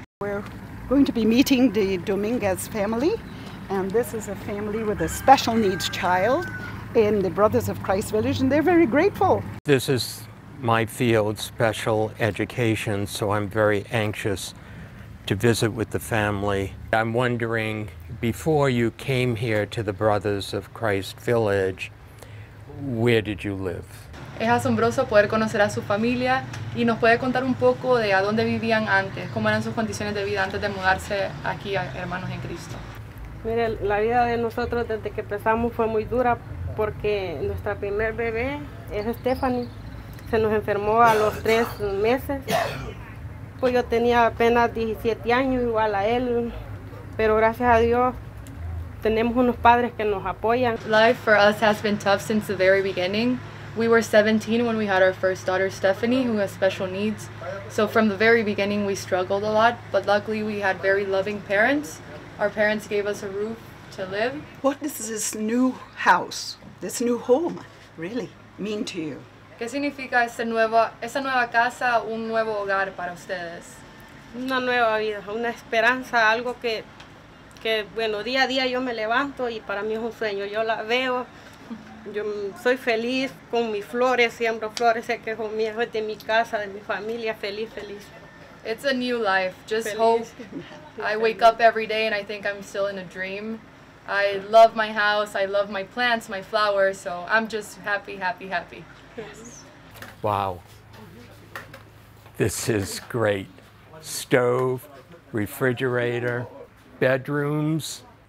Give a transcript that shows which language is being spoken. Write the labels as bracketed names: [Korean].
[English] We're going to be meeting the Dominguez family, and this is a family with a special needs child in the Brothers of Christ village, and they're very grateful. This is my field, special education, so I'm very anxious to visit with the family. I'm wondering, before you came here to the Brothers of Christ village, where did you live? [Spanish] Es asombroso poder conocer a su familia y nos puede contar un poco de a dónde vivían antes, cómo eran sus condiciones de vida antes de mudarse aquí a Hermanos en Cristo. Mire, la vida de nosotros desde que empezamos fue muy dura porque nuestra primer bebé es Stephanie. Se nos enfermó a los 3 meses. Pues yo tenía apenas 17 años, igual a él, pero gracias a Dios tenemos unos padres que nos apoyan. [English] Life for us has been tough since the very beginning. We were 17 when we had our first daughter, Stephanie, who has special needs. So from the very beginning, we struggled a lot, but luckily we had very loving parents. Our parents gave us a roof to live. What does this new house, this new home, really mean to you? [Spanish] ¿Qué significa esa nueva casa, un nuevo hogar para ustedes? Una nueva vida, una esperanza, algo que bueno, día a día yo me levanto y para mí es un sueño. Yo la veo. Yo soy feliz con mis flores, siembro flores, sé que es mi hijo, es de mi casa, de mi familia, feliz, feliz. [English] It's a new life, just feliz. Hope. I wake up every day and I think I'm still in a dream. I love my house, I love my plants, my flowers, so I'm just happy, happy, happy. Yes. Wow. This is great. Stove, refrigerator, bedrooms.